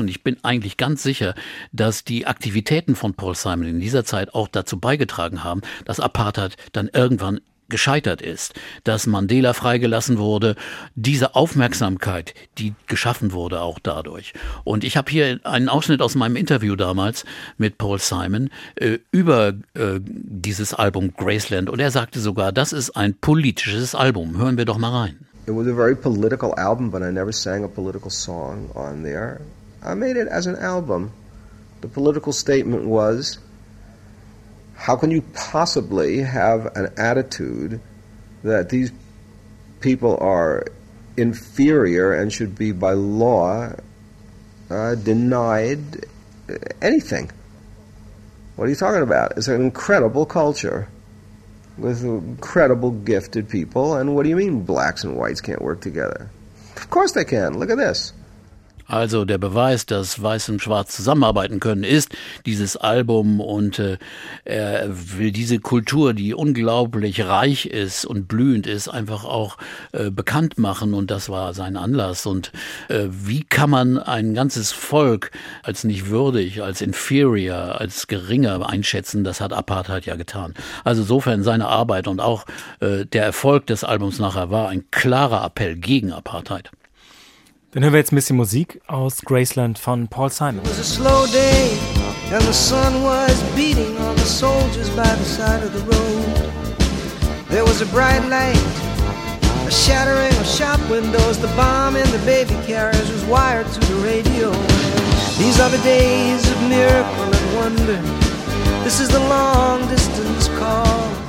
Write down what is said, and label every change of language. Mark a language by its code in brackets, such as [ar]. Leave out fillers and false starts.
[de] Und ich bin eigentlich ganz sicher, dass die Aktivitäten von Paul Simon in dieser Zeit auch dazu beigetragen haben, dass Apartheid dann irgendwann gescheitert ist, dass Mandela freigelassen wurde, diese Aufmerksamkeit, die geschaffen wurde auch dadurch. Und ich habe hier einen Ausschnitt aus meinem Interview damals mit Paul Simon über dieses Album Graceland, und er sagte sogar, das ist ein politisches Album. Hören wir doch mal rein. [en] It was a very political album, but I never sang a political song on there. I made it as an album. The political statement was, how can you possibly have an attitude that these people are inferior and should be by law denied anything? What are you talking about? It's an incredible culture with incredible gifted people. And what do you mean blacks and whites can't work together? Of course they can. Look at this. [de] Also der Beweis, dass Weiß und Schwarz zusammenarbeiten können, ist dieses Album, und er will diese Kultur, die unglaublich reich ist und blühend ist, einfach auch bekannt machen, und das war sein Anlass. Und wie kann man ein ganzes Volk als nicht würdig, als inferior, als geringer einschätzen? Das hat Apartheid ja getan. Also insofern seine Arbeit und auch der Erfolg des Albums nachher war ein klarer Appell gegen Apartheid. Dann hören wir jetzt ein bisschen Musik aus Graceland von Paul Simon. [en] It was a slow day, and the sun was beating on the soldiers by the side of the road. There was a bright light, a shattering of shop windows. The bomb in the baby carriage was wired to the radio. These are the days of miracle and wonder. This is the long distance call.